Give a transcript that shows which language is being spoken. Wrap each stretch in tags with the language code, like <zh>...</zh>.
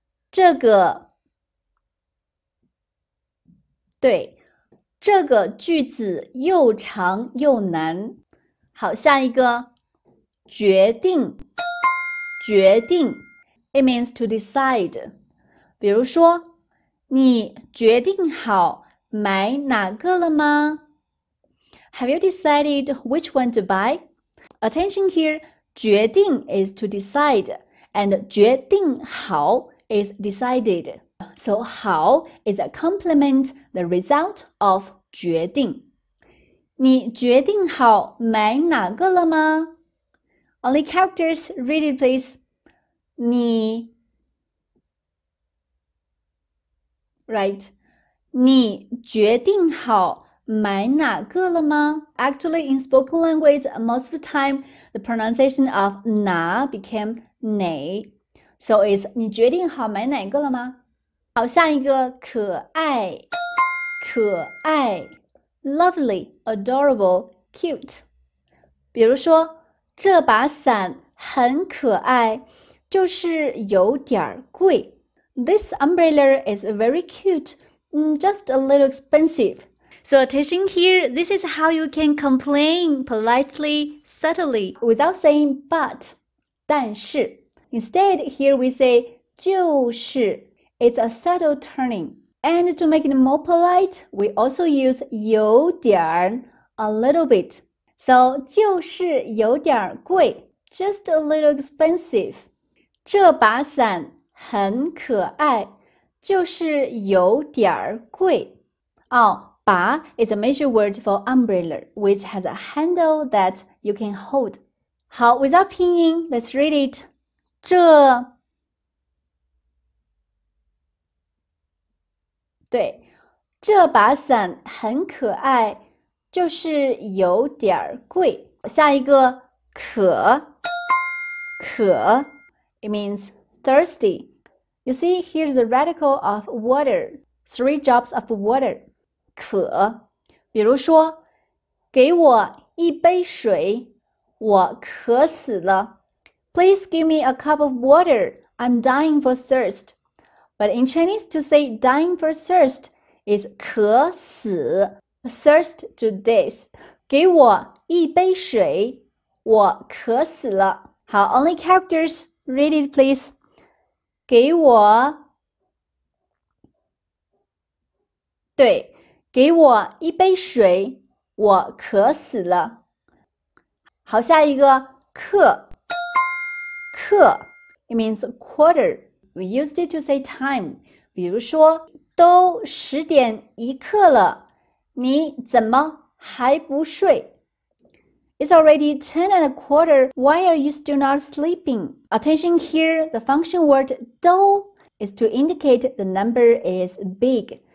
<zh>这个对这个句子又长又难。好下一个决定。决定</zh> <en>,it means to decide.</en> <zh>比如说你决定好买哪个了吗</zh> <en>?Have you decided which one to buy? Attention here, 决定 is to decide, and 决定好is decided. So, 好 is a complement, the result of 决定。</en> <zh>你决定好买哪个了吗</zh> <en>?Only characters, read it please.</en> <zh>你</zh> <en>Right.</en> <zh>你决定好买哪个了吗</zh> <en>?Actually, in spoken language, most of the time, the pronunciation of 哪 became 哪。 So it's,</en> <zh>你决定好买哪个了吗？好，下一个可爱，可爱</zh> <en>，lovely, adorable, cute。</en> <zh>比如说，这把伞很可爱，就是有点贵。</zh> <en>This umbrella is very cute, just a little expensive. So attention here, this is how you can complain politely, subtly, without saying but,</en> <zh>但是。</zh> <en>Instead, here we say 就是 It's a subtle turning. And to make it more polite, we also use 有点 a little bit. So</en> <zh>就是有点贵</zh> <en>just a little expensive.</en> <zh>这把伞很可爱就是有点贵</zh> <en>把 is a major word for umbrella, which has a handle that you can hold. 好 without 拼音 let's read it.</en> <zh>这对这把伞很可爱就是有点贵。下一个渴</zh> <en>it means thirsty. You see, here's the radical of water, three drops of water.</en> <zh>渴比如说给我一杯水我渴死了。</zh> <en>Please give me a cup of water. I'm dying for thirst. But in Chinese, to say dying for thirst is</en> <zh>渴死</zh> <en>thirst to death.</en> <zh>给我一杯水，我渴死了。</zh> <en>好 ，only characters, read it please.</en> <zh>给我，对，给我一杯水，我渴死了。好，下一个课。课</zh> <en>it means quarter. We used it to say time.</en> <zh>比如说都十点一刻了你怎么还不睡</zh> <en>It's already 10:15. Why are you still not sleeping? Attention here, the function word 都 is to indicate the number is big.</en>